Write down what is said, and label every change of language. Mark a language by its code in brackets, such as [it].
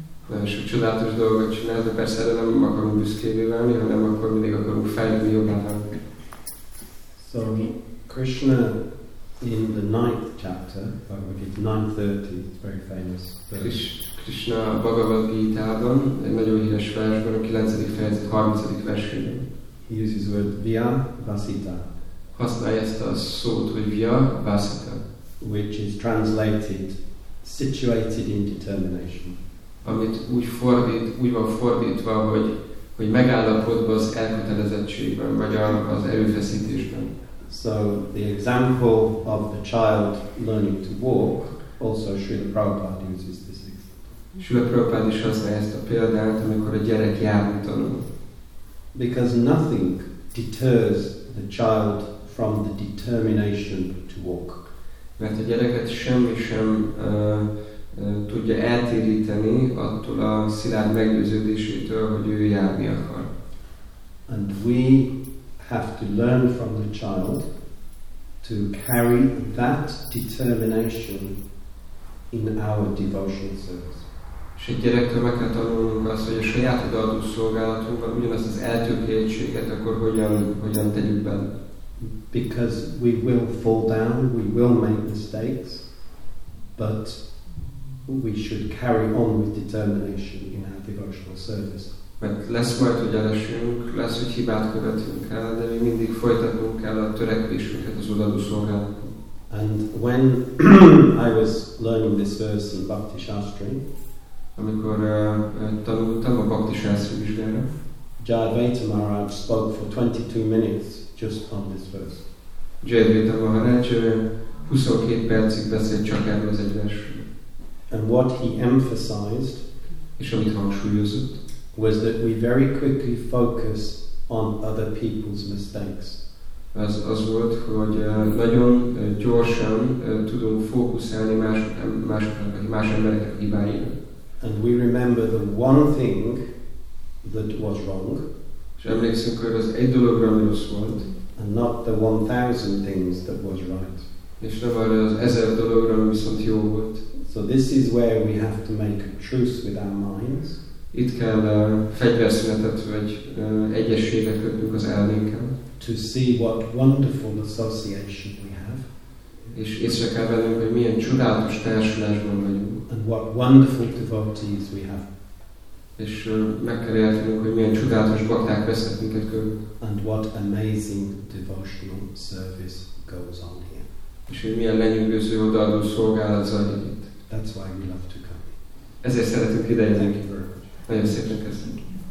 [hu] Nem sok csodálatos dolgot csinál, de persze erre nem akarunk büszkévé válni, hanem akkor mindig akarunk fejlődni jobban. [en] So, Krishna in the ninth chapter, Bhagavad-gita 9:30, it's very famous. [hu] Krishna a Bhagavad-gitában, egy nagyon híres versben, a 9. fejezet, 30. versében. [en] He uses the word via vasita. [hu] Használja ezt a szót, hogy via vasita. [en] Which is translated, situated in determination. [hu] Amit úgy van fordítva, hogy megállapodva az elkötelezettségben, vagy az erőfeszítésben. [en] So the example of the child learning to walk, also Srila Prabhupada uses this example. [hu] Srila Prabhupada is használja ezt a példát, amikor a gyerek járni tanul. [en] Because nothing deters the child from the determination to walk. [hu] Mert a gyereket semmi sem tudja eltéríteni attól a szilárd meggyőződésétől, hogy ő járni akar. [en] And we have to learn from the child to carry that determination in our devotion service. [hu] És egy gyerektől meg kell tanulnunk azt, hogy a saját odaadó szolgálatunkban ugyanazt az eltökéltséget akkor hogyan tegyük be. [en] Because we will fall down, we will make mistakes, but we should carry on with determination in our devotional service. [hu] Mert lesz majd, hogy elesünk, lesz, hogy hibát követünk el, de mi mindig folytatnunk kell a törekvésünket az odaadó szolgálatban. [en] And when I was learning this verse in Bhakti Shastri, [hu] amikor tanultam a Bhakti Shastri vizsgára, [en] Jayadvaita Maharaj spoke for 22 minutes just on this verse. [hu] Jayadvaita Maharaj 22 percig beszélt csak erről az egy versről. [en] And what he emphasized was that we very quickly focus on other people's mistakes. [hu] Az volt, hogy nagyon gyorsan tudunk fókuszálni más emberek hibáira. [en] And we remember the one thing that was wrong. [hu] És emlékszünk, hogy az egy dologra mi rossz volt. [en] And not the 1,000 things that was right. [hu] És nem arra az 1,000 dologra, ami viszont jó volt. [en] So this is where we have to make a truce with our minds. [hu] Itt kell fegyverszünetet vagy egyességet kötnünk az elménkkel. [en] To see what wonderful association we have. [hu] És észre kell vennünk, hogy milyen csodálatos társulásban vagyunk. [en] And what wonderful devotees we have. [hu] És meg kell értenünk, hogy milyen csodálatos bhakták vesznek minket körül. [en] And what amazing devotional service goes on here. [hu] És hogy milyen lenyűgöző odaadó szolgálat zajlik itt. [en] That's why we love to come. [hu] Ezért szeretünk ide jönni. [en] Thank you very much. [hu] Nagyon szépen köszönjük.